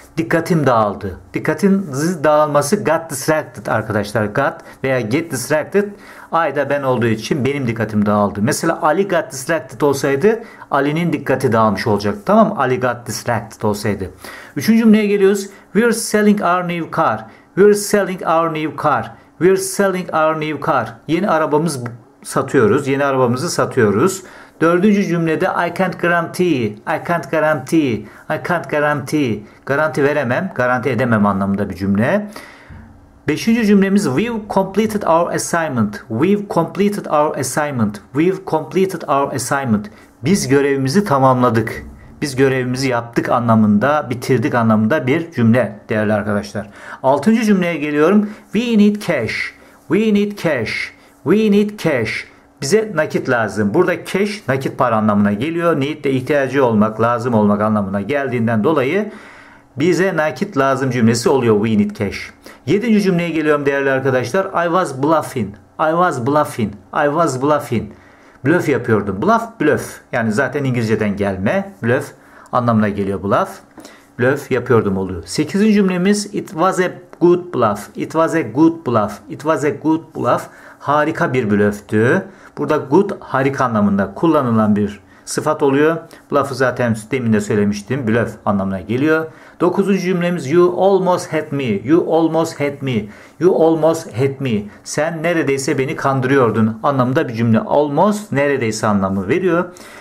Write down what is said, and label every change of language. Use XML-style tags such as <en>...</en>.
<tr>Dikkatim dağıldı. Dikkatin dağılması got distracted arkadaşlar. Got veya get distracted. I da ben olduğu için benim dikkatim dağıldı. Mesela Ali got distracted olsaydı Ali'nin dikkati dağılmış olacak. Tamam mı? Ali got distracted olsaydı. Üçüncü cümleye geliyoruz.</tr> <en>We're selling our new car. We're selling our new car. We're selling our new car.</en> <tr>Yeni arabamız satıyoruz. Yeni arabamızı satıyoruz. Dördüncü cümlede</tr> <en>I can't guarantee, I can't guarantee, I can't guarantee.</en> <tr>Garanti veremem, garanti edemem anlamında bir cümle. Beşinci cümlemiz</tr> <en>we've completed our assignment, we've completed our assignment, we've completed our assignment.</en> <tr>Biz görevimizi tamamladık, biz görevimizi yaptık anlamında, bitirdik anlamında bir cümle değerli arkadaşlar. Altıncı cümleye geliyorum.</tr> <en>We need cash, we need cash, we need cash.</en> <tr>Bize nakit lazım. Burada cash nakit para anlamına geliyor. Need de ihtiyacı olmak, lazım olmak anlamına geldiğinden dolayı bize nakit lazım cümlesi oluyor.</tr> <en>We need cash.</en> <tr>Yedinci cümleye geliyorum değerli arkadaşlar.</tr> <en>I was bluffing. I was bluffing. I was bluffing.</en> <tr>Bluff yapıyordum.</tr> <en>Bluff, bluff.</en> <tr>Yani zaten İngilizceden gelme. Bluff anlamına geliyor bluff. Bluff yapıyordum oluyor. Sekizinci cümlemiz</tr> <en>it was a good bluff. It was a good bluff. It was a good bluff.</en> <tr>Harika bir blöftü. Burada good harika anlamında kullanılan bir sıfat oluyor. Bluff'ı zaten demin de söylemiştim. Blöf anlamına geliyor. Dokuzuncu cümlemiz</tr> <en>you almost had me. You almost had me. You almost had me.</en> <tr>Sen neredeyse beni kandırıyordun anlamında bir cümle. Almost neredeyse anlamı veriyor.</tr>